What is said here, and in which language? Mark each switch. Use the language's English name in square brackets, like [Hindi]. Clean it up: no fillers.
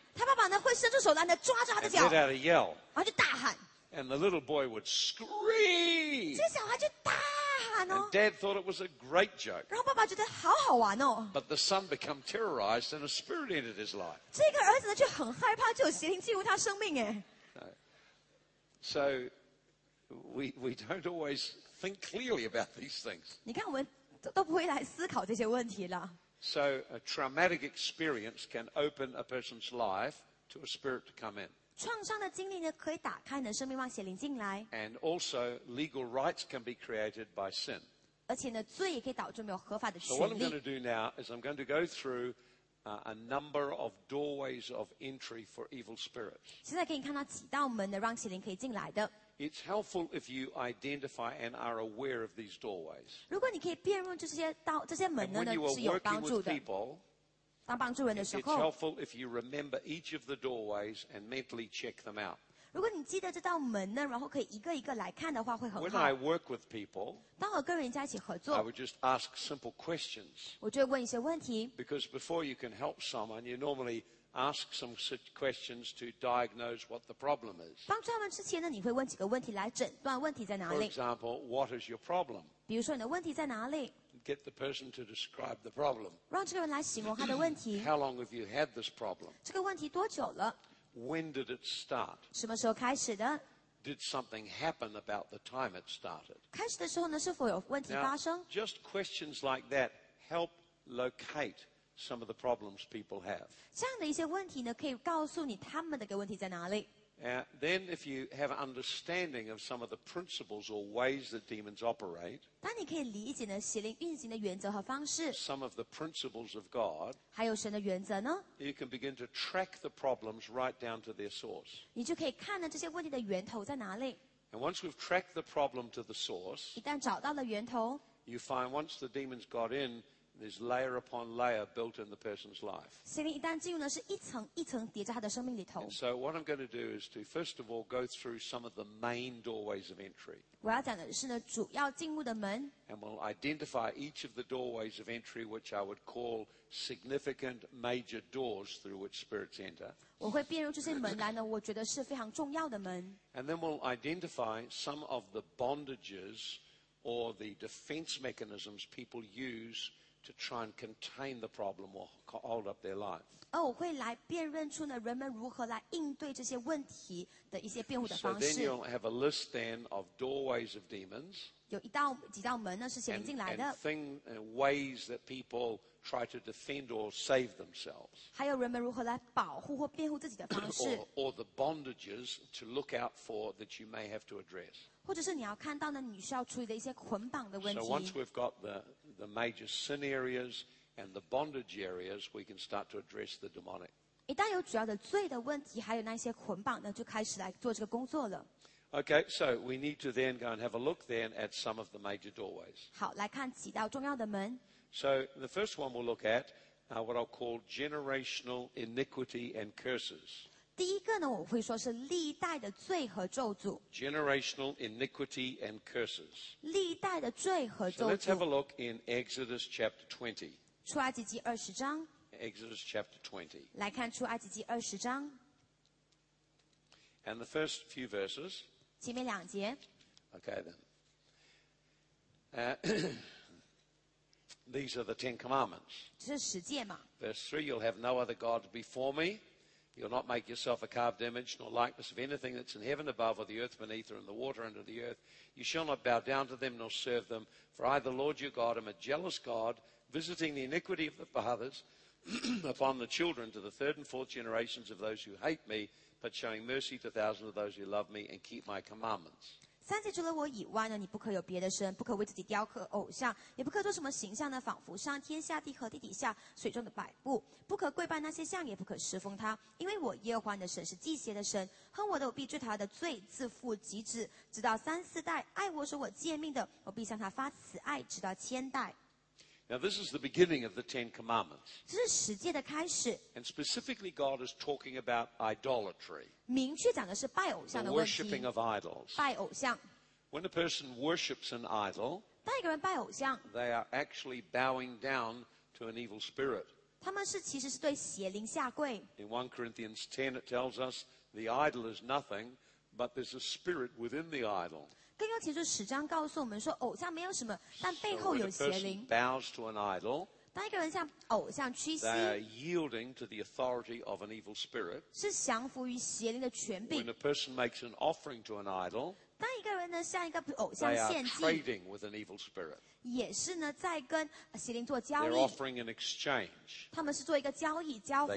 [Chinese] 他爸爸呢，会伸出手来呢，抓住他的脚。 [English] And let out a yell. [Chinese] 然后就大喊。 [English] And the little boy would scream. [Chinese] 这小孩就大。 [English] And Dad thought it was a great joke. [Chinese] 然后爸爸觉得好好玩哦。 [English] But the son became terrorized, and a spirit entered his life. [Chinese] 这个儿子呢就很害怕，就有邪灵进入他生命哎。 [English] So we don't always think clearly about these things. [Chinese] 你看我们都不会来思考这些问题了。 [English] So a traumatic experience can open a person's life to a spirit to come in. [Chinese] 创伤的经历呢，可以打开你的生命，让邪灵进来。 [English] And also, legal rights can be created by sin. [Chinese] 而且呢，罪也可以导致没有合法的权利。 [English] So what I'm going to do now is I'm going to go through a number of doorways of entry for evil spirits. [Chinese] 现在给你看到几道门呢，让邪灵可以进来的。 [English] It's helpful if you identify and are aware of these doorways. [Chinese] 如果你可以辨认这些门呢，是有帮助的。当帮助人的时候 [English] It's helpful if you remember each of the doorways and mentally check them out. [Chinese] 如果你记得这道门呢，然后可以一个一个来看的话，会很好。 [English] When I work with people, [Chinese] 当我跟人家一起合作 [English] I would just ask simple questions. [Chinese] 我就会问一些问题。 [English] Because before you can help someone, you normally ask some questions to diagnose what the problem is. [Chinese] 帮助他们之前呢，你会问几个问题来诊断问题在哪里。 [English] For example, what is your problem? [Chinese] 比如说你的问题在哪里？ [English] Get the person to describe the problem. [Chinese] 让这个人来形容他的问题。 [English] How long have you had this problem? [Chinese] 这个问题多久了？ [English] When did it start? [Chinese] 什么时候开始的？ [English] Did something happen about the time it started? [Chinese] 开始的时候呢，是否有问题发生？ [English] Now, just questions like that help locate some of the problems people have. [Chinese] 这样的一些问题呢，可以告诉你他们的个问题在哪里。 [English] Then if you have understanding of some of the principles or ways that demons operate, [Chinese] 当你可以理解呢邪灵运行的原则和方式 [English] some of the principles of God, [Chinese] 还有神的原则呢 [English] you can begin to track the problems right down to their source. [Chinese] 你就可以看呢这些问题的源头在哪里 [English] And once we've tracked the problem to the source, [Chinese] 一旦找到了源头 [English] you find once the demons got in,There's layer upon layer built in the person's life. [Chinese] 邪灵一旦进入呢，是一层一层叠在他的生命里头。 [English] So what I'm going to do is to first of all go through some of the main doorways of entry. [Chinese] 我要讲的是呢，主要进入的门。 [English] And we'll identify each of the doorways of entry, which I would call significant major doors through which spirits enter. [Chinese] 我会辨认这些门来呢，我觉得是非常重要的门。 [English] And then we'll identify some of the bondages or the defense mechanisms people use. To try and contain the problem or hold up their life. [Chinese] 我会来辨认出呢，人们如何来应对这些问题的一些辩护的方式。 [English] So then you'll have a list then of doorways of demons. [Chinese] 有一道几道门呢是邪灵进来的。 [English] And ways that people try to defend or save themselves. [Chinese] 还有人们如何来保护或辩护自己的方式。 [English] Or the bondages to look out for that you may have to address. [Chinese] 或者是你要看到呢，你需要处理的一些捆绑的问题。 [English] So once we've got the major sin areas and the bondage areas, we can start to address the demonic. [Chinese] 一旦有主要的罪的问题，还有那些捆绑呢，就开始来做这个工作了。 [English] Okay, so we need to then go and have a look then at some of the major doorways. [Chinese] 好，来看几道重要的门。 [English] So the first one we'll look at, what I'll call generational iniquity and curses. [Chinese] 第一个呢，我会说是历代的罪和咒诅。 [English] Generational iniquity and curses. [Chinese] 历代的罪和咒诅。 [English] So let's have a look in Exodus chapter 20. [Chinese] 出埃及记二十章。 [English] Exodus chapter 20. [Chinese] 来看出埃及记二十章。 [English] And the first few verses. [Chinese] 前面两节。 [English] Okay then. these are the Ten Commandments. [Chinese] 这是十诫嘛。 [English] Verse 3, you'll have no other God before me. You'll not make yourself a carved image nor likeness of anything that's in heaven above or the earth beneath or in the water under the earth. You shall not bow down to them nor serve them. For I, the Lord your God, am a jealous God, visiting the iniquity of the fathers upon the children to the third and fourth generations of those who hate me, but showing mercy to thousands of those who love me and keep my commandments. [Chinese] 三界除了我以外呢，你不可有别的神，不可为自己雕刻偶像，也不可做什么形象呢，仿佛上天下地和地底下水中的摆布，不可跪拜那些像，也不可侍奉他，因为我耶和华的神是祭邪的神，恨我的我必追他的罪，自负极止，直到三四代，爱我守我诫命的，我必向他发慈爱，直到千代。 [English] Now this is the beginning of the Ten Commandments. [Chinese] 这是十诫的开始。 [English] And specifically God is talking about idolatry. [Chinese] 明确讲的是拜偶像的问题。 [English] The worshipping of idols. [Chinese] 拜偶像。 [English] When a person worships an idol, [Chinese] 当一个人拜偶像， [English] they are actually bowing down to an evil spirit. [Chinese] 他们是其实是对邪灵下跪。 [English] In 1 Corinthians 10 it tells us the idol is nothing, but there's a spirit within the idol. [Chinese] 更用前书十章告诉我们说，偶像没有什么，但背后有邪灵。 [English] So、bows to an idol, [Chinese] 当一个人向偶像屈膝， [English] they are yielding to the authority of an evil spirit, [Chinese] 是降服于邪灵的权柄。 [English] When a person makes an offering to an idol, [Chinese] 当一个人呢向一个偶像献祭， [English] they are trading with an evil spirit, [Chinese] 也是呢在跟邪灵做交易。 [English] They're offering an exchange, [Chinese] 他们是做一个交易交换。